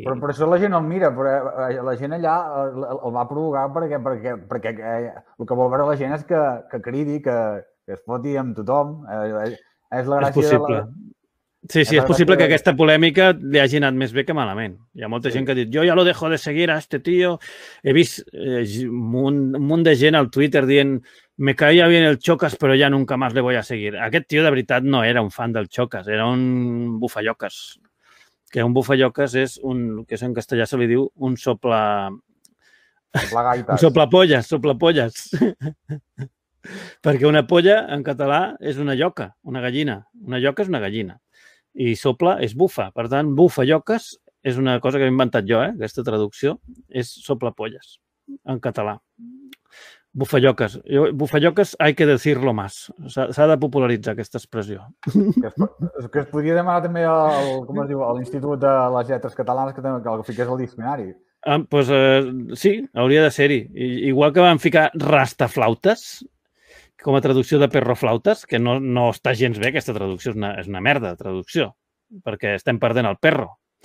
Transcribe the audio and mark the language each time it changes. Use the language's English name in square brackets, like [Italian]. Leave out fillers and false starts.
[Catalan] Però per això la gent el mira, però la gent allà el va provocar perquè el que vol veure la gent és que cridi, que es foti amb tothom. És la gràcia és possible. De Sí, sí, és possible que aquesta polèmica li hagi anat més bé que malament. Hi ha molta sí. gent que ha dit, jo ja [Spanish] lo dejo de seguir a este tío. [Catalan] He vist un munt de gent al Twitter dient [Spanish] me caía bien el Chocas, [Catalan] però ja [Spanish] nunca más le voy a seguir. [Catalan] Aquest tio, de veritat, no era un fan del Chocas, era un bufallocas. Que un bufallocas és un, que en castellà se li diu, un sopla... [Spanish] Soplagaites. Soplapolles, soplapolles. [Catalan] Perquè una polla, en català, és una lloca, una gallina. Una lloca és una gallina. I sopla és bufa. Per tant, bufalloques és una cosa que he inventat jo, eh? Aquesta traducció, és soplapolles en català. Bufalloques. [Spanish] Bufalloques hay que decirlo más. [Catalan] S'ha de popularitzar aquesta expressió. Que es podria demanar també al, com es diu, a l'Institut de les Lletres Catalanes que també, que el fiqués al diccionari. Pues, sí, hauria de ser-hi. Igual que van ficar rastaflautes, com a traducció de perroflautes, que no, no està gens bé, aquesta traducció és una merda de traducció, perquè estem perdent el perro.